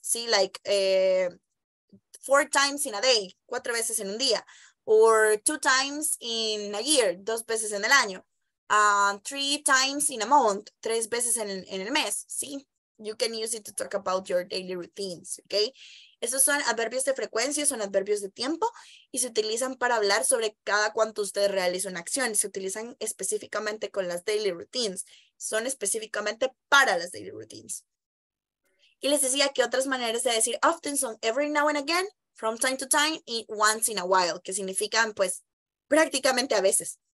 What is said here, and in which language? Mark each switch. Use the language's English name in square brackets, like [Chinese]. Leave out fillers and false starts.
[English] Sí, like four times in a day, [Spanish] cuatro veces en un día. [English] Or two times in a year, [Spanish] dos veces en el año. [English] Three times in a month, [Spanish] tres veces en el mes, [English] ¿sí? You can use it to talk about your daily routines, okay? [Spanish] Esos son adverbios de frecuencia, son adverbios de tiempo, y se utilizan para hablar sobre cada cuánto usted realiza una acción. Se utilizan específicamente con las daily routines. Son específicamente para las daily routines. Y les decía que otras maneras de decir often son [English] every now and again, from time to time, [Spanish] y [English] once in a while, [Spanish] que significan, pues, prácticamente a veces.